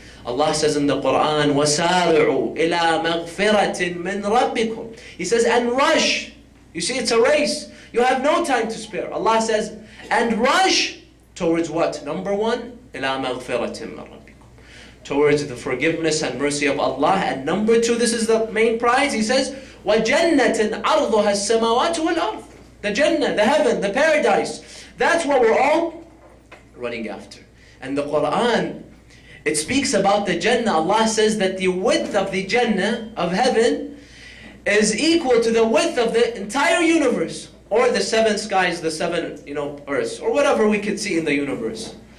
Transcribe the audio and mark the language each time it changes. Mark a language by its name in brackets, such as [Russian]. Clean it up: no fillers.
[English] Allah says in the Quran, [Arabic] "Wasari'u ila maghfiratin min rabbikum." [English] He says, and rush. You see, it's a race. You have no time to spare. Allah says, and rush towards what? Number one, [Arabic] ila maghfiratin min rabbikum. [English] Towards the forgiveness and mercy of Allah. And number two, this is the main prize. He says, [Arabic] وَجَنَّةٍ عَرْضُهَا السَّمَوَاتُ وَالْأَرْضُ. [English] The Jannah, the heaven, the paradise. That's what we're all running after. And the Quran, it speaks about the Jannah. Allah says that the width of the Jannah of heaven is equal to the width of the entire universe, or the seven skies, the seven, you know, earths, or whatever we could see in the universe.